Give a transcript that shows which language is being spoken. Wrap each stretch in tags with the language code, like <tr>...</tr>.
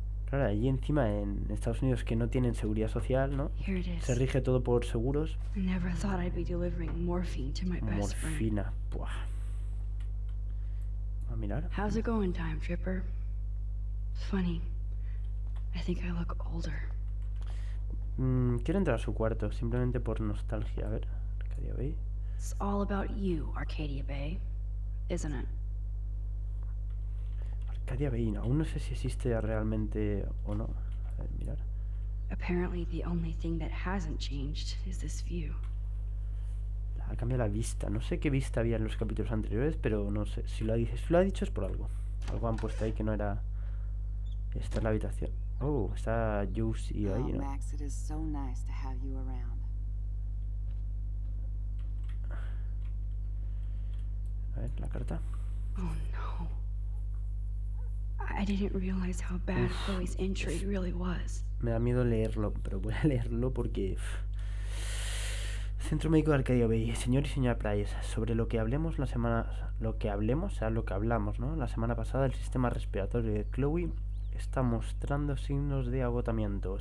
<es>Claro, allí encima en Estados Unidos que no tienen seguridad social, ¿no? Se rige todo por seguros.</es> <en>Never thought I'd be delivering morphine to my best</en> <es>Morfina. Buah. A mirar.</es> <en>How's it going, Time Tripper? Funny. I think I look older.</en> <es>Quiero entrar a su cuarto simplemente por nostalgia. A ver, Arcadia Bay.</es> <en>It's all about you, Arcadia Bay, isn't it?</en> <es>Arcadia Bay, no. Aún no sé si existe realmente o no. A ver, mirar.</es> <en>Apparently, the only thing that hasn't changed is this view.</en> <es>Ha cambiado la vista. No sé qué vista había en los capítulos anteriores, pero no sé. Si lo ha dicho es por algo. Algo han puesto ahí que no era. Esta es la habitación. Oh, está Juicy ahí, ¿no?</es> <en>Max, it is so nice to have you around.</en> <es>A ver, la carta.</es> <en>Oh no. I didn't realize how bad Chloe's injury really was.</en> <es>Me da miedo leerlo, pero voy a leerlo porque. Centro Médico de Arcadia Bay, señor y señora Price, sobre lo que hablemos la semana. Lo que hablemos, o sea, lo que hablamos, ¿no? La semana pasada, el sistema respiratorio de Chloe está mostrando signos de agotamiento.</es>